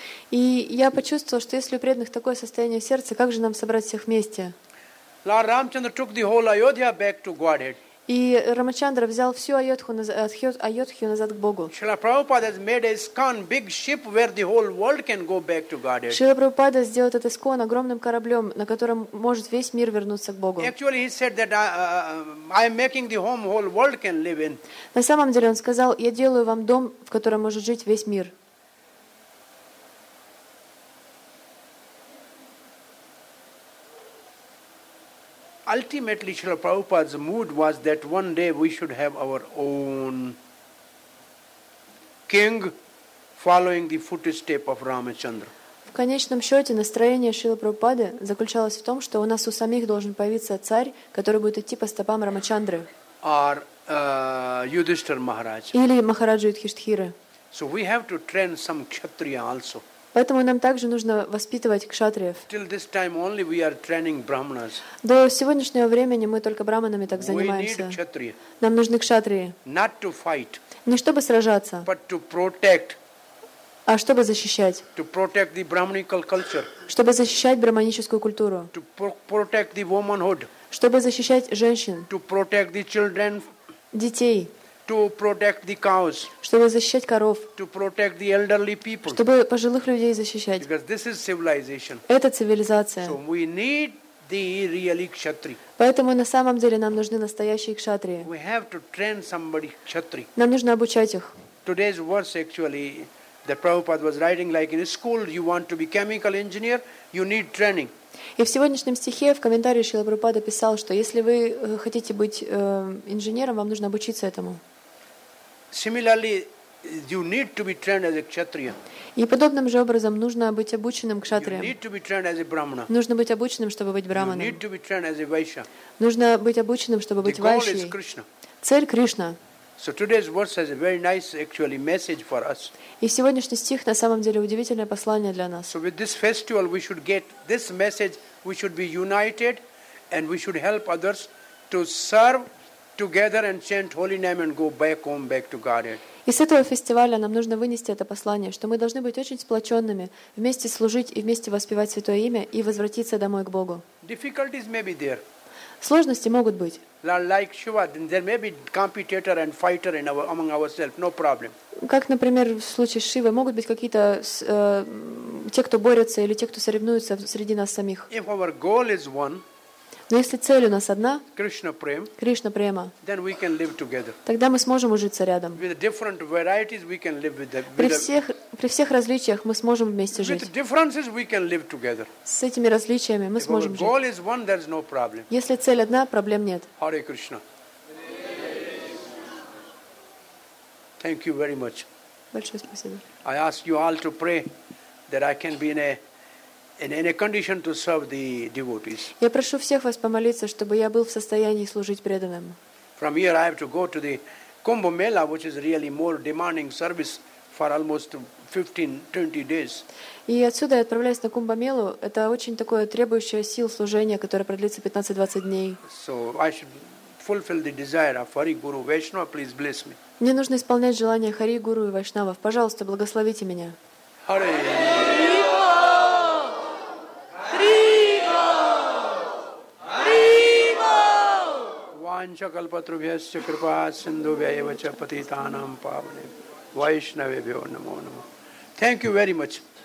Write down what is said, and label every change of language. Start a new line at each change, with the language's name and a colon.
Russian: И я почувствовал, что если у преданных такое состояние сердца, как же нам собрать всех вместе?
English: Lord Ramchandra took the whole Ayodhya back to Godhead.
Russian: И Рамачандра взял всю Айодхью назад к Богу.
English: Srila Prabhupada has made a scan, big ship where the whole world can go back to Godhead.
Russian: Srila Prabhupada сделал этот скан огромным кораблем, на котором может весь мир вернуться к Богу.
English: Actually, he said that I am making the home whole world can live in.
Russian: На самом деле он сказал, я делаю вам дом, в котором может жить весь мир.
English: Ultimately, Srila Prabhupada's mood was that one day we should have our own king following the footstep of Ramachandra.
Russian: В конечном счете, настроение Шрилы Прабхупады заключалось в том, что у нас у самих должен появиться царь, который будет идти по стопам Рамачандры.
English: Or Yudhishthira Maharaj.
Russian: Или Махараджа Юдхиштхиры.
English: So we have to train some Kshatriya also.
Russian: Поэтому нам также нужно воспитывать кшатриев.
English: Till this time only we are training brahmanas.
Russian: До сегодняшнего времени мы только браманами так занимаемся.
English: We need kshatriya.
Russian: Нам нужны кшатрии.
English: Not to fight.
Russian: Не чтобы сражаться.
English: But to protect.
Russian: А чтобы защищать.
English: To protect the brahmanical culture.
Russian: Чтобы защищать брахманическую культуру.
English: To protect the womanhood.
Russian: Чтобы защищать женщин.
English: To protect the children.
Russian: Детей.
English: To protect the cows.
Russian: Чтобы защищать коров.
English: To protect the elderly people.
Russian: Чтобы пожилых людей защищать.
English: Because this is civilization.
Russian: Это цивилизация.
English: So we need the real kshatri.
Russian: Поэтому на самом деле нам нужны настоящие кшатрии.
English: We have to train somebody kshatri.
Russian: Нам нужно обучать их.
English: Today's verse actually that Prabhupada was writing like in a school you want to be chemical engineer, you need training.
Russian: И в сегодняшнем стихе в комментарии Шрила Прабхупада писал, что если вы хотите быть инженером, вам нужно обучиться этому.
English: Similarly, you need to be trained as a kshatriya.
Russian: И подобным же образом нужно быть обученным кшатриям.
English: You need to be trained as a brahmana.
Russian: Нужно быть обученным, чтобы быть брахманом.
English: You need to be trained as a vaishya.
Russian: Нужно быть обученным, чтобы быть вайшей.
English: The goal is Krishna.
Russian: Цель Кришна.
English: So today's verse has a very nice actually message for us.
Russian: И сегодняшний стих на самом деле удивительное послание для нас.
English: So with this festival we should get this message, we should be united and we should help others to serve together and chant holy name and go back home back to Godhead.
Russian: И с этого фестиваля нам нужно вынести это послание, что мы должны быть очень сплоченными, вместе служить и вместе воспевать святое имя и возвратиться домой к Богу.
English: Difficulties may be there.
Russian: Сложности могут быть.
English: Like Shiva, then there may be competitor and fighter in our, among ourselves, no problem.
Russian: Как, например, в случае с Шивой, могут быть какие-то те, кто борются или те, кто соревнуются среди нас самих.
English: If our goal is one,
Russian: Но если цель у нас одна, Кришна према, Кришна према,
English: then we can live together.
Russian: Тогда мы сможем ужиться рядом.
English: With different varieties we can live with them.
Russian: При всех различиях мы сможем вместе жить.
English: With differences we can live together.
Russian: С этими различиями мы сможем жить.
English: Goal is one, there's no problem.
Russian: Если цель одна, проблем нет.
English: Hare Krishna. Thank you very much.
Russian: Большое спасибо.
English: I ask you all to pray that I can be in a condition to serve the devotees.
Russian: Я прошу всех вас помолиться, чтобы я был в состоянии служить преданным.
English: From here I have to go to the Kumbh Mela, which is really more demanding service for almost 15-20 days.
Russian: И отсюда я отправляюсь на Кумбх Мелу. Это очень такое требующее сил служение, которое продлится 15-20 дней.
English: So I should fulfill the desire of Hari Guru Vaishnava, please bless me.
Russian: Мне нужно исполнять желание Хари Гуру и Вайшнавов. Пожалуйста, благословите меня.
English: Hare.
Sanskrit: Панчакалпатрубхьасья крипа синдубхьаева ча патитанам павне вайшнавебхьо намо нама.
English: Thank you very much.